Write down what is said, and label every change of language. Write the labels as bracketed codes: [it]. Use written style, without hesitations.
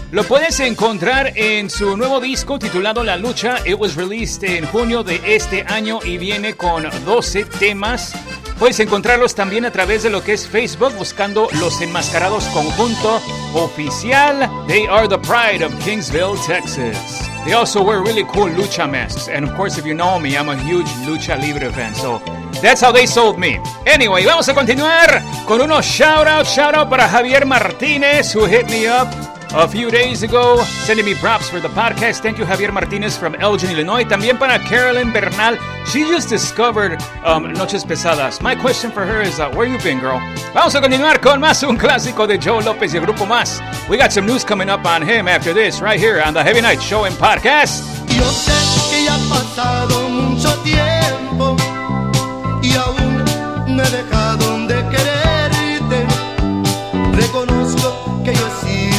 [es] Lo puedes encontrar en su nuevo disco titulado La Lucha. [en] It was released [es] en junio de este año y viene con 12 temas. Puedes encontrarlos también a través de lo que es Facebook buscando Los Enmascarados Conjunto Oficial. [en] They are the pride of Kingsville, Texas. They also wear really cool lucha masks. And of course, if you know me, I'm a huge lucha libre fan. So that's how they sold me. Anyway, [es] vamos a continuar con unos [en] shout out para Javier Martinez, who hit me up a few days ago, sending me props for the podcast. Thank you, Javier Martinez from Elgin, Illinois. [es] También para [en] Carolyn Bernal. She just discovered Noches Pesadas. My question for her is, where you been, girl? [es] Vamos a continuar con más un clásico de Joe López y el Grupo Más. [en] We got some news coming up on him after this, right here on the Heavy Night Show and Podcast. [es] Yo sé que ya ha pasado mucho tiempo y aún me he dejado de quererte. Reconozco que yo sí.